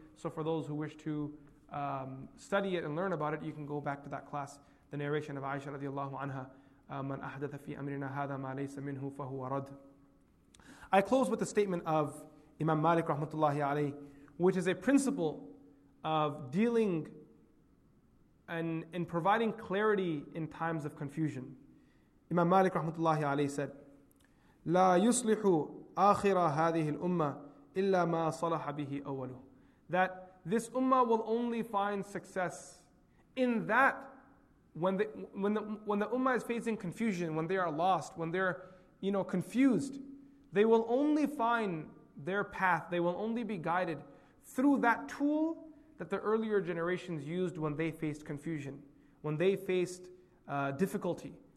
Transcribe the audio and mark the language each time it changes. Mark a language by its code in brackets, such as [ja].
[en] So for those who wish to study it and learn about it, you can go back to that class, the narration of Aisha radiallahu anha, [ar] من أحدث في أمرنا هذا ما ليس منه فهو رد. [en] I close with the statement of Imam Malik rahmatullahi alayhi, which is a principle of dealing and in providing clarity in times of confusion. Imam Malik rahmatullahi alayhi said, [ar] لا يصلح آخر هذه الأمة إلا ما صلح به أوله. [en] That this ummah will only find success in that when the ummah is facing confusion, when they are lost, when they're, you know, confused, they will only find their path, they will only be guided through that tool that the earlier generations used when they faced confusion, when they faced difficulty.